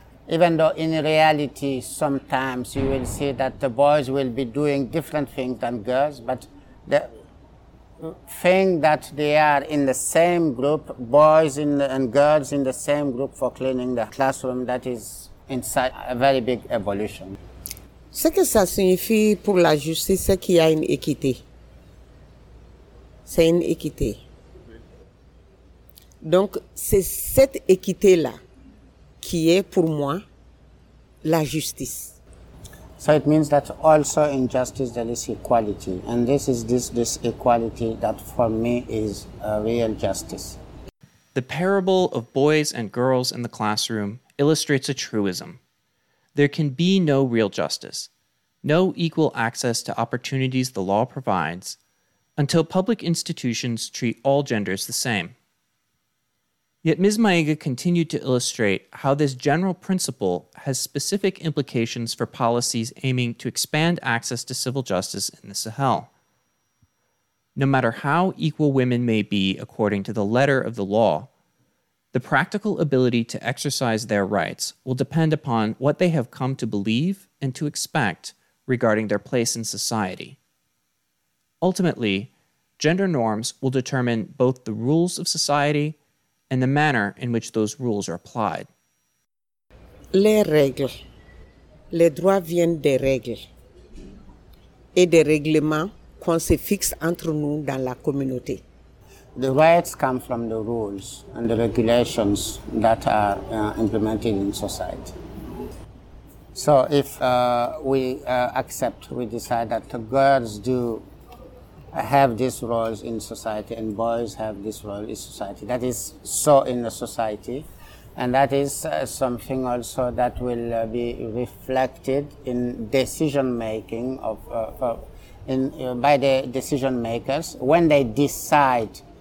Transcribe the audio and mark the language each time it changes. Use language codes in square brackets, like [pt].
[en] Even though in reality, sometimes you will see that the boys will be doing different things than girls, but the thing that they are in the same group, boys in the, and girls in the same group for cleaning the classroom, that is inside a very big evolution. [fr] Ce que ça signifie pour la justice, c'est qu'il y a une équité. C'est une équité. Donc, c'est cette équité-là qui est pour moi la justice. [en] So it means that also in justice there is equality. And this is this equality that for me is a real justice. The parable of boys and girls in the classroom illustrates a truism. There can be no real justice, no equal access to opportunities the law provides, until public institutions treat all genders the same. Yet Ms. Maiga continued to illustrate how this general principle has specific implications for policies aiming to expand access to civil justice in the Sahel. No matter how equal women may be according to the letter of the law, the practical ability to exercise their rights will depend upon what they have come to believe and to expect regarding their place in society. Ultimately, gender norms will determine both the rules of society and the manner in which those rules are applied. [fr] Les règles, les droits viennent des règles et des règlements qu'on se fixe entre nous dans la communauté. [en] The rights come from the rules and the regulations that are implemented in society. So if we decide that the girls do have these roles in society and boys have this role in society, that is so in the society, and that is something also that will be reflected in decision making of by the decision makers when they decide.